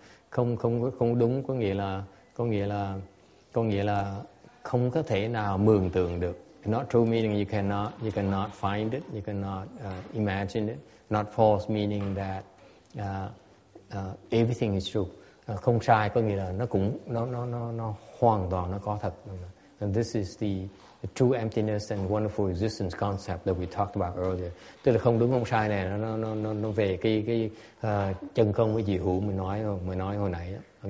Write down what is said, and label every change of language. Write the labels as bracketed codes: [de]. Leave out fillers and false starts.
[vi] Không đúng có nghĩa là không có thể nào mường tượng được. [en] Not true meaning you cannot find it, you cannot imagine it. Not false meaning that everything is true. [vi] Không sai có nghĩa là nó hoàn toàn nó có thật. [en] And this is the true emptiness and wonderful existence concept that we talked about earlier. [vi] Tức là không đúng không sai này, nó về cái chân không với dị hữu mình nói hồi nãy đó.